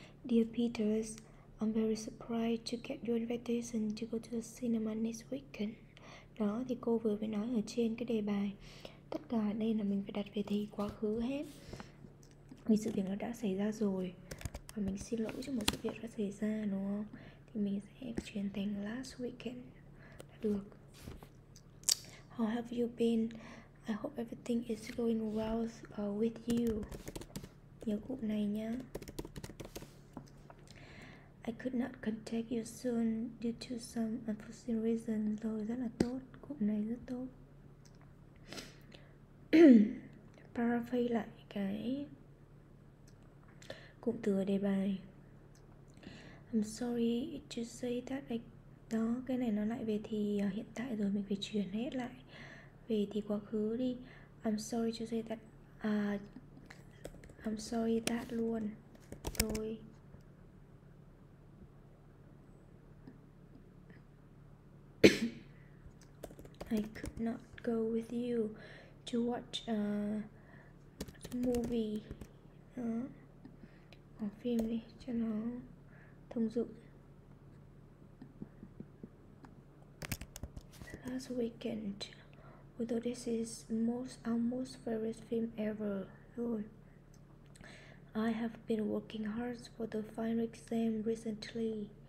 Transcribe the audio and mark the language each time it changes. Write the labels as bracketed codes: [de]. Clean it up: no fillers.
[en] Dear Peters, I'm very surprised to get your invitation to go to the cinema next weekend. [vi] Đó, thì cô vừa mới nói ở trên cái đề bài. Tất cả đây là mình phải đặt về thì quá khứ hết. Vì sự việc nó đã xảy ra rồi. Và mình xin lỗi cho một sự việc đã xảy ra, đúng không? Thì mình sẽ chuyển thành [en] last weekend. [vi] Được. [en] How have you been? I hope everything is going well with you. [vi] Nhớ cụm này nhá. [en] I could not contact you soon due to some unforeseen reasons. [vi] Rồi, rất là tốt. Cụm này rất tốt. Paraphrase lại cái cụm từ đề bài. [en] I'm sorry to say that I... [vi] Đó, cái này nó lại về thì hiện tại rồi. Mình phải chuyển hết lại về thì quá khứ đi. [en] I'm sorry to say that I'm sorry that luôn. Tôi I could not go with you to watch a movie. [vi] Đó. Bỏ phim đi cho nó thông dụng. [en] Last weekend, although this is almost favorite film ever. Rồi. I have been working hard for the final exam recently.